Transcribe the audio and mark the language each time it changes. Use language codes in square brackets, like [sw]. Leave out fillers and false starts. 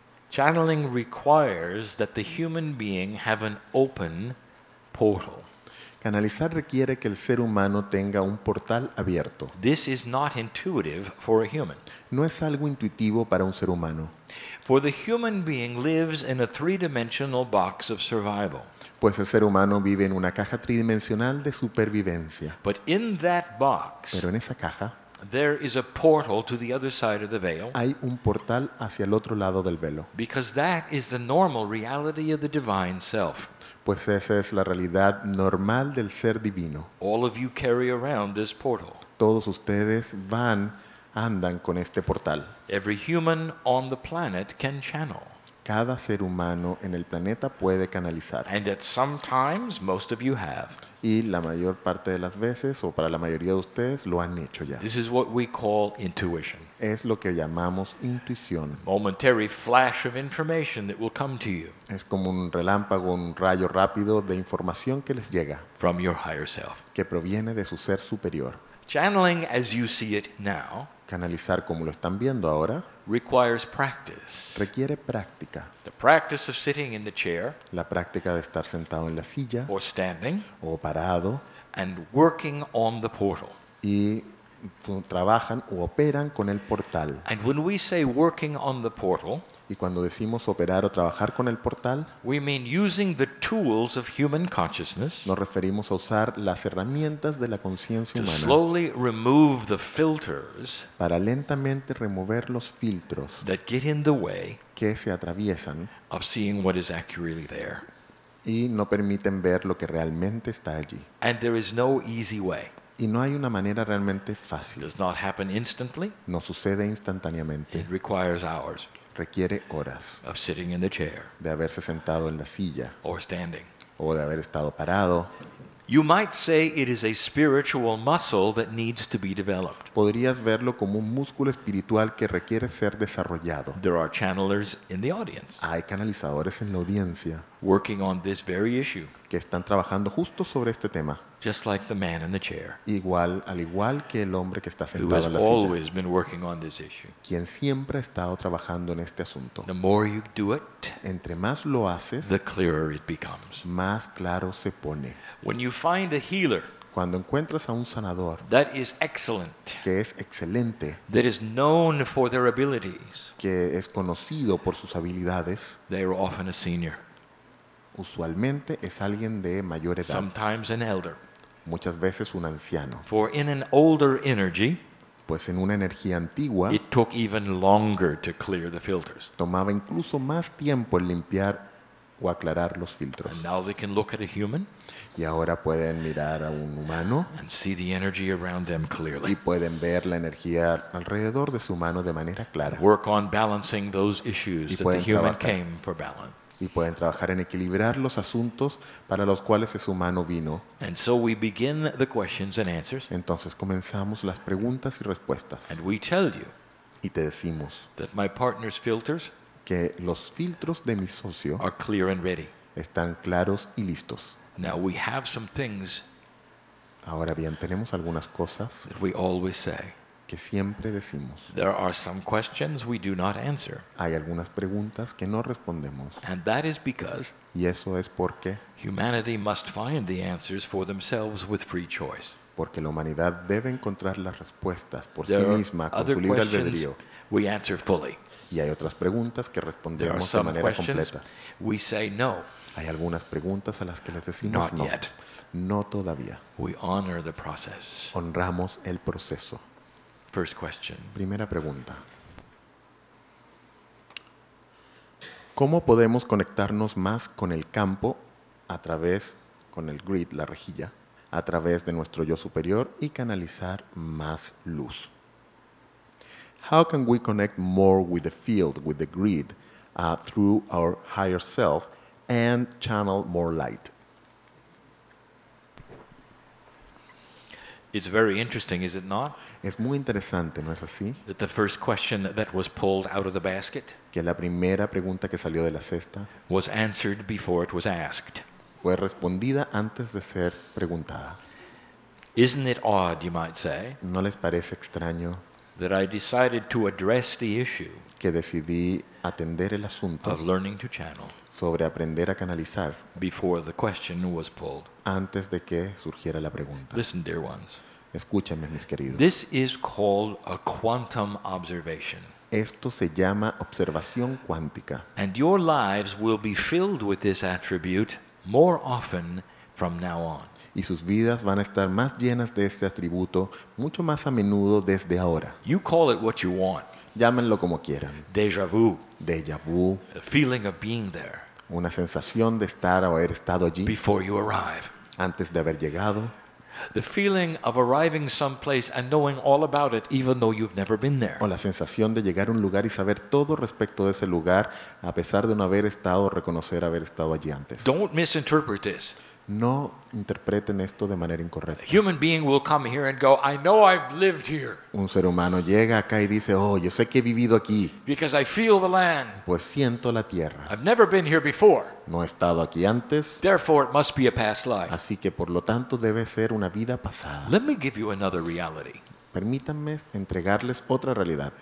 [en] Channeling requires that the human being have an open portal. [es] Canalizar requiere que el ser humano tenga un portal abierto. [en] This is not intuitive for a human. [es] No es algo intuitivo para un ser humano. [en] For the human being lives in a three-dimensional box of survival. [es] Pues el ser humano vive en una caja tridimensional de supervivencia. [en] But in that box, [es] pero en esa caja, [en] there is a portal to the other side of the veil. [es] Hay un portal hacia el otro lado del velo. [en] Because that is the normal reality of the divine self. [es] Pues esa es la realidad normal del ser divino. [en] All of you carry around this portal. [es] Todos ustedes andan con este portal. [en] Every human on the planet can channel. [es] Cada ser humano en el planeta puede canalizar. [en] And at some times, most of you have. [es] Y la mayor parte de las veces, o para la mayoría de ustedes, lo han hecho ya. [en] This is what we call intuition. [es] Es lo que llamamos intuición. [en] Momentary flash of information that will come to you. [es] Es como un relámpago, un rayo rápido de información que les llega. [en] From your higher self. [es] Que proviene de su ser superior. [en] Channeling as you see it now. [es] Canalizar como lo están viendo ahora. [en] Requires practice. [es] Requiere práctica. [en] The practice of sitting in the chair. [es] La práctica de estar sentado en la silla. [en] Or standing. [es] O parado. [en] And working on the portal. [es] Y trabajan o operan con el portal. [en] And when we say working on the portal, [es] y cuando decimos operar o trabajar con el portal, [en] we mean using the tools of human consciousness. [es] Nos referimos a usar las herramientas de la conciencia humana. [en] To slowly remove the filters. [es] Para lentamente remover los filtros. [en] That get in the way. [es] Que se atraviesan. [en] Of seeing what is accurately there. [es] Y no permiten ver lo que realmente está allí. [en] And there is no easy way. [es] Y no hay una manera realmente fácil. [en] Does not happen instantly. [es] No sucede instantáneamente. [en] It requires hours. [es] Requiere horas [en] of sitting in the chair, [es] de haberse sentado en la silla [en] or standing. [es] O de haber estado parado. [en] You might say it is a spiritual muscle that needs to be developed. [es] Podrías verlo como un músculo espiritual que requiere ser desarrollado. [en] There are channelers in the audience. [es] Hay canalizadores en la audiencia [en] working on this very issue. [es] Que están trabajando justo sobre este tema. [en] Just like the man in the chair. [es] Igual, al igual que el hombre que está sentado en la silla. [en] Who has always been working on this issue. [es] Quien siempre ha estado trabajando en este asunto. [en] The more you do it, [es] entre más lo haces, [en] the clearer it becomes. [es] Más claro se pone. [en] When you find a healer, [es] cuando encuentras a un sanador, [en] that is excellent, [es] que es excelente, [en] that is known for their abilities, [es] que es conocido por sus habilidades, [en] they are often a senior. [es] Usualmente es alguien de mayor edad. [en] Sometimes an elder. [es] Muchas veces un anciano. [en] For in an older energy, [es] pues en una energía antigua, [en] it took even longer to clear the filters. [es] Tomaba incluso más tiempo en limpiar o aclarar los filtros. [en] And now they can look at a human, [es] y ahora pueden mirar a un humano, [en] and see the energy around them clearly. [es] Y pueden ver la energía alrededor de su mano de manera clara. [en] Work on balancing those issues that the human came for balance. [es] Y pueden trabajar en equilibrar los asuntos para los cuales ese humano vino. [en] And so we begin the questions and answers. [es] Entonces comenzamos las preguntas y respuestas. [en] And we tell you, [es] y te decimos [en] that my partner's filters, [es] que los filtros de mi socio [en] are clear and ready. [es] Están claros y listos. [en] Now we have some things. [es] Ahora bien, tenemos algunas cosas [en] that we always say. [es] Que siempre decimos. [en] There are some questions we do not answer. [es] Hay algunas preguntas que no respondemos. [en] And that is because, [es] y eso es porque, [en] humanity must find the answers for themselves with free choice. [es] Porque la humanidad debe encontrar las respuestas por sí misma con su libre albedrío. [en] We answer fully. [es] Y hay otras preguntas que respondemos de manera completa. [en] We say no. [es] Hay algunas preguntas a las que les decimos no. [en] Yet. [es] No todavía. [en] We honor the process. [es] Honramos el proceso. [en] First question. [es] Primera pregunta. ¿Cómo podemos conectarnos más con el campo a través con el grid, la rejilla, a través de nuestro yo superior y canalizar más luz? [en] How can we connect more with the field, with the grid, through our higher self and channel more light? It's very interesting, is it not? [es] Es muy interesante, ¿no es así? [en] That the first question that was pulled out of the basket, [es] que la primera pregunta que salió de la cesta, [en] was answered before it was asked. [es] Fue respondida antes de ser preguntada. [en] Isn't it odd, you might say, [es] ¿no les parece extraño, [en] that I decided to address the issue, [es] que decidí atender el asunto, [en] of learning to channel, [es] sobre aprender a canalizar, [en] before the question was pulled, [es] antes de que surgiera la pregunta? [en] Listen, dear ones. [es] Escúchenme, mis queridos. [en] This is called a quantum observation. [es] Esto se llama observación cuántica. [en] And your lives will be filled with this attribute more often from now on. [es] Y sus vidas van a estar más llenas de este atributo mucho más a menudo desde ahora. [en] You call it what you want. [es] Llámenlo como quieran. [en] Déjà vu. [es] Déjà vu. [en] A feeling of being there. [es] Una sensación de estar o haber estado allí. [en] Before you arrive. [es] Antes de haber llegado. [en] The feeling of arriving someplace and knowing all about it, even though you've never been there. [es] O la sensación de llegar a un lugar y saber todo respecto de ese lugar, a pesar de no haber estado, reconocer haber estado allí antes. [en] Don't misinterpret this. [es] No interpreten esto de manera incorrecta. [en] A human being will come here and go, I know I've lived here. [es] Un ser humano llega acá y dice, oh, yo sé que he vivido aquí. [en] Because I feel the land. [es] Pues siento la tierra. [en] I've never been here before. [es] No he estado aquí antes. [en] Therefore, it must be a past life. [es] Así que, por lo tanto, debe ser una vida pasada. [en] Let me give you another reality. [es] Permítanme entregarles otra realidad.